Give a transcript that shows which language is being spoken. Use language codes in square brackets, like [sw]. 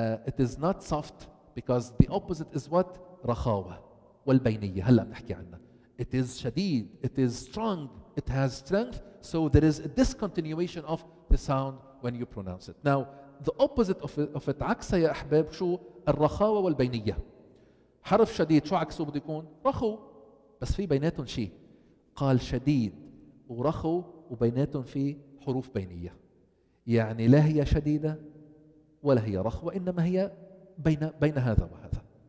[en] It is not soft, because the opposite is what? [ar] رخاوة والبينية، هلا بنحكي عنها. [en] It is شديد, it is strong, it has strength, so there is a discontinuation of the sound when you pronounce it. Now, the opposite of it, [ar] عكسها يا أحباب شو؟ الرخاوة والبينية. حرف شديد شو عكسه بده يكون؟ رخو. بس في بيناتهم شيء، قال شديد ورخو وبيناتهم في حروف بينية، يعني لا هي شديدة ولا هي رخوة، إنما هي بين هذا وهذا.